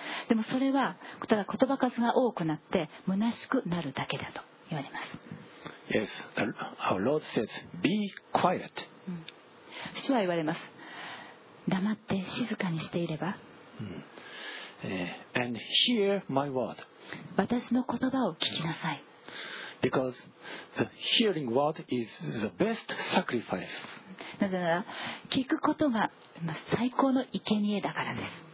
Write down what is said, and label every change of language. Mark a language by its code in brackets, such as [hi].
[ja] でもそれはただ言葉数が多くなって虚しくなるだけだと言われます。 [en] Yes, our Lord says, be quiet. [ja] 主は言われます。黙って静かにしていれば、 [en] And hear my word. [ja] 私の言葉を聞きなさい。 [en] Because the hearing word is the best sacrifice. [ja] なぜなら聞くことが最高の生贄だからです。